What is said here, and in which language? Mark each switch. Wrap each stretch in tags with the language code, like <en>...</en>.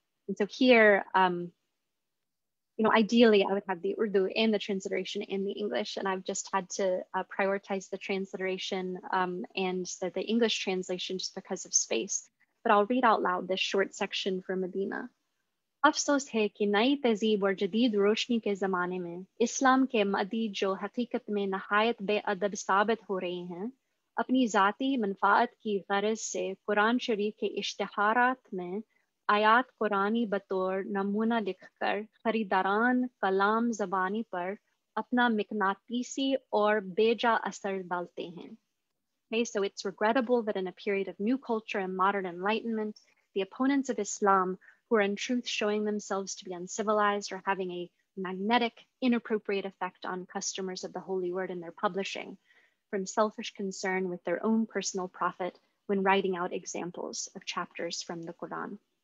<en>And so here, you know, ideally I would have the Urdu and the transliteration in the English, and I've just had to prioritize the transliteration and the English translation just because of space. But I'll read out loud this short section from Medina.</en> <ur>افسوس ہے کہ نئی تہذیب اور جدید روشنی کے زمانے میں اسلام کے مدعی جو حقیقت میں نہایت بے ادب ثابت ہو رہے ہیں اپنی ذاتی منفعت کی غرض سے قرآن شریف کے اشتہارات میں آیات قرآنی بطور نمونہ لکھ کر خریداران کلام زبانی پر اپنا مقناطیسی اور بیجا اثر ڈالتے ہیں۔</ur> <en>Okay, so it's regrettable that in a period of new culture and modern enlightenment, the opponents of Islam, who are in truth showing themselves to be uncivilized or having a magnetic, inappropriate effect on customers of the Holy Word in their publishing, from selfish concern with their own personal profit when writing out examples of chapters from the Quran.</en>